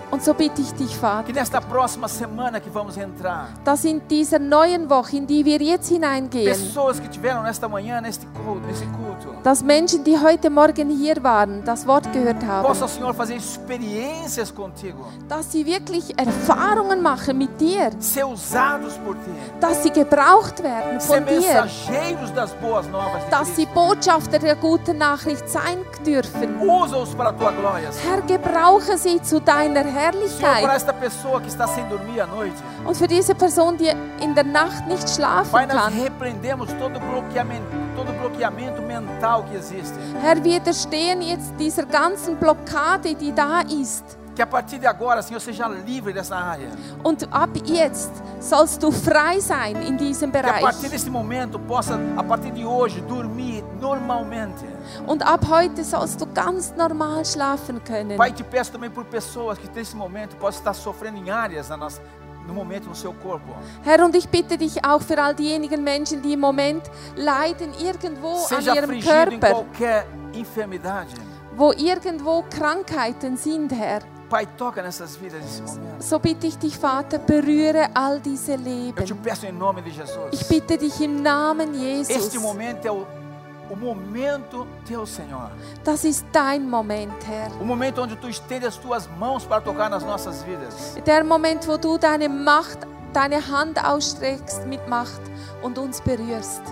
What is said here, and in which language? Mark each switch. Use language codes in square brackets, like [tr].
[de] Und so bitte ich dich, Vater. [pt] Que nesta próxima semana que vamos entrar. [de] Dass in dieser neuen Woche, in die wir jetzt hineingehen. [pt] Pessoas que tiveram nesta manhã, nesse culto. [de] Dass Menschen, die heute Morgen hier waren, das Wort gehört haben. [pt] Possa, Senhor, fazer experiências contigo. [de] Dass sie wirklich Erfahrungen machen mit dir. [pt] Ser usados por ti. [de] Dass sie gebraucht werden von dir. [pt] Ser mensageiros das boas novas. [de] Dass sie Botschafter der guten Nachricht sein dürfen. [pt] Usa-os para tua glória. [de] Herr, gebrauche sie zu deiner Herrlichkeit. [pt] Senhor, para esta pessoa que está sem dormir à noite. [de] Und für diese Person, die in der Nacht nicht schlafen [pt] Pai, [de] kann. [pt] Nós repreendemos todo bloqueamento mental que existe. [de] Herr, widerstehen jetzt dieser ganzen Blockade, die da ist. [pt] Que a partir de agora, Senhor, seja livre dessa área. [de] Und ab jetzt sollst du frei sein in diesem Bereich. [pt] Que a partir desse momento possa, a partir de hoje, dormir normalmente. [de] Und ab heute sollst du ganz normal schlafen können. [pt] Pai, te peço também por pessoas que nesse momento possam estar sofrendo em áreas na nossa no momento no seu corpo. [de] Herr, und ich bitte dich auch für all diejenigen Menschen, die im Moment leiden irgendwo [pt] seja [de] an ihrem Körper. [pt] Em qualquer enfermidade. [de] Wo irgendwo Krankheiten sind, Herr. [pt] Pai, toca nessas vidas nesse momento. [de] So bitte ich dich, Vater, berühre all diese Leben. [pt] Eu te peço em nome de Jesus. [de] Ich bitte dich im Namen Jesus. [pt] Este momento é o momento teu, Senhor. [de] Das ist dein Moment, Herr. [pt] O momento onde tu estende as tuas mãos para tocar nas nossas vidas. [de] Der Moment, wo du deine Hand ausstreckst mit Macht und uns berührst.